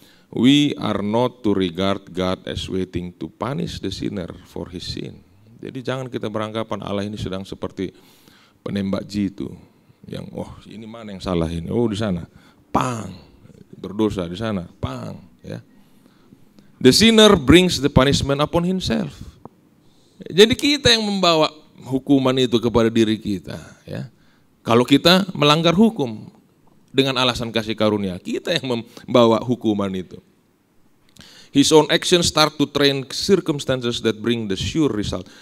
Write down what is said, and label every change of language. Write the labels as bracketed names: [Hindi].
[English] We are not to regard God as waiting to punish the sinner for his sin. [Indonesian] Jadi jangan kita beranggapan Allah ini sedang seperti penembak jitu yang wah ini mana yang salah ini? Oh di sana, pang berdosa di sana, pang ya. [English] The sinner brings the punishment upon himself. [Indonesian] Jadi kita yang membawa hukuman itu kepada diri kita ya. Kalau kita melanggar hukum. Dengan alasan kasih karunia, kita yang membawa hukuman itu. [English] His own actions start to train circumstances that bring the sure result.